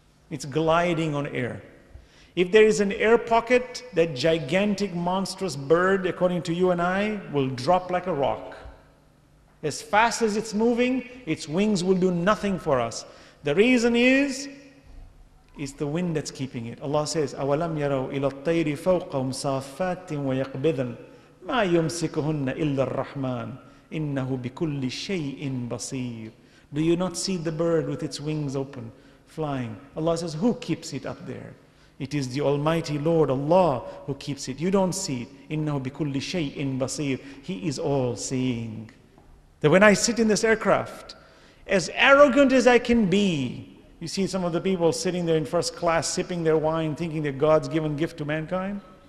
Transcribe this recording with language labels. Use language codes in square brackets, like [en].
[en] It's gliding on air. If there is an air pocket, that gigantic monstrous bird, according to you and I, will drop like a rock. As fast as it's moving, its wings will do nothing for us. The reason is, it's the wind that's keeping it. Allah says, [ar] أَوَلَمْ يَرَوْا إِلَى الطَّيْرِ فَوْقَهُمْ صَافَّاتٍ وَيَقْبِذًا مَا يُمْسِكُهُنَّ إِلَّا الرَّحْمَنِ إِنَّهُ بِكُلِّ شَيْءٍ بَصِيرٌ. [en] Do you not see the bird with its wings open, flying? Allah says, who keeps it up there? It is the Almighty Lord, Allah, who keeps it. You don't see it. [ar] إِنَّهُ بِكُلِّ شَيْءٍ بَصِيرٌ. [en] He is all-seeing. That when I sit in this aircraft, as arrogant as I can be, you see some of the people sitting there in first class, sipping their wine, thinking they're God's given gift to mankind?